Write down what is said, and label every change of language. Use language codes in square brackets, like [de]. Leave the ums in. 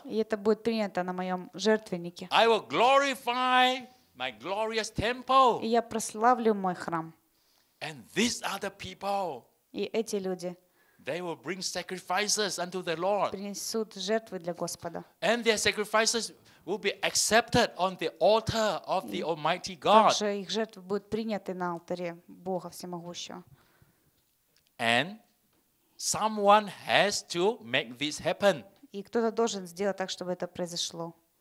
[ru] И это будет принято на моем жертвеннике. [en] I will glorify my glorious temple. [ru] И я прославлю мой храм. [en] And these are the people. [ru] И эти люди. [en] They will bring sacrifices unto the Lord. [ru] Принесут жертвы для Господа. [en] And their sacrifices will be accepted on the altar of the Almighty God. [ru] Также их жертвы будут приняты на алтаре Бога Всемогущего. [en] And someone has to make this happen. [ru] И кто-то должен сделать так, чтобы это произошло.